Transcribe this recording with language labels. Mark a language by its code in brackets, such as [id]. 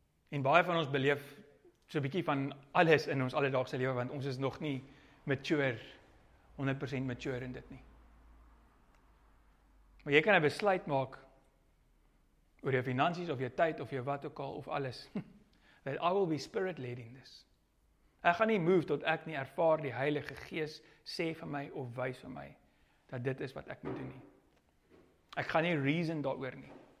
[af] En baie van ons beleef so 'n bietjie van alles in ons alledaagse lewe, want ons is nog nie mature, 100% mature in dit nie. Maar jy kan 'n besluit maak oor jou finansies of jou tyd of jou wat ook al of alles. [en] That I will be spirit led in this. [af] Ek gaan nie move tot ek nie ervaar die Heilige Gees sê vir my of wys vir my dat dit is wat ek moet doen nie. Ek gaan nie reason daaroor nie.